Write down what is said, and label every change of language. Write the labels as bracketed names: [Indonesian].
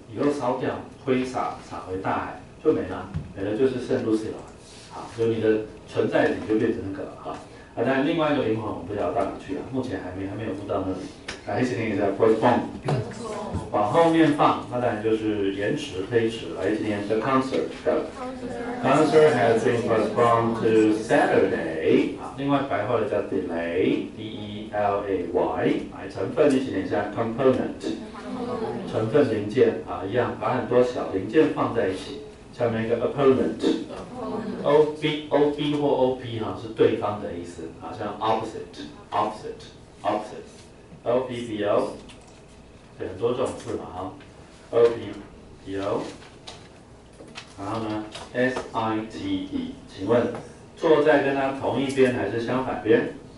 [Chinese] 以后烧掉、挥洒、撒回大海就没了，没了就是剩 Lucy 了。好，所以你的存在你就变成那个了哈。啊，但另外一个灵魂我们不知道到哪去了，目前还没有悟到那里。来，一起念一下 postpone， 往后面放，那当然就是延迟、推迟。来，一起念 [English] the concert has been postponed to Saturday。 [Chinese] 另外白话的叫 delay， D E L A Y。来，成分一起念一下 component， 成分零件啊，一样把很多小零件放在一起。下面一个 opponent，O B O B 或 O P 哈，是对方的意思，好像 opposite。 OPBO， 很多种字嘛哈 ，OPBO， 然后呢 ，SITE， 请问坐在跟他同一边还是相反边？